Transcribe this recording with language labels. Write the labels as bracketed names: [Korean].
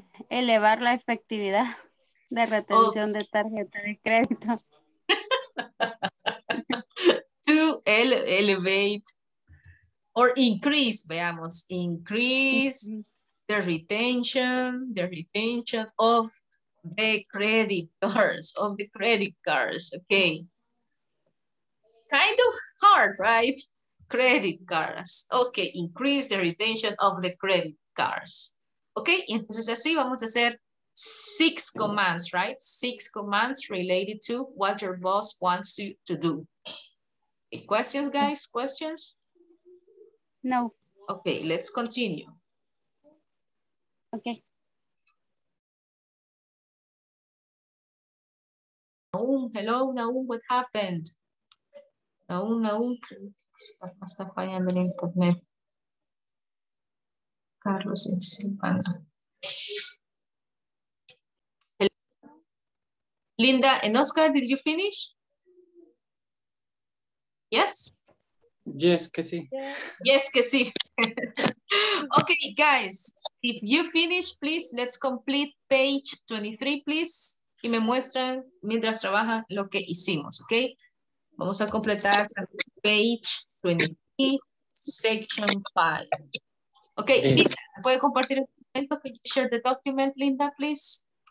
[Spanish] Elevar la efectividad de retención de tarjeta de crédito. [English] To elevate or increase, veamos, increase the retention of the creditors, of the credit cards, okay. Kind of hard, right? Credit cards, okay, increase the retention of the credit cards. [Spanish] Okay, entonces así vamos a hacer 6 commands, right? [English] 6 commands related to what your boss wants you to do. Any questions, guys? Questions? No. Okay, let's continue. Okay. [Spanish] Naum, [English] hello, Naum, what happened? [Spanish] Naum, está fallando el internet. Carlos en Silvana. [English] Linda and Oscar, did you finish? Yes? [Spanish] Yes, que sí. Yeah. Yes, que sí. [English] Okay, guys, if you finish, please, let's complete page 23, please. [Spanish] Y me muestran mientras trabajan lo que hicimos, okay? Vamos a completar [English] page 23, section 5. [Spanish] Okay, Linda, ¿puede compartir el documento? [English] Can you share the document, Linda, please?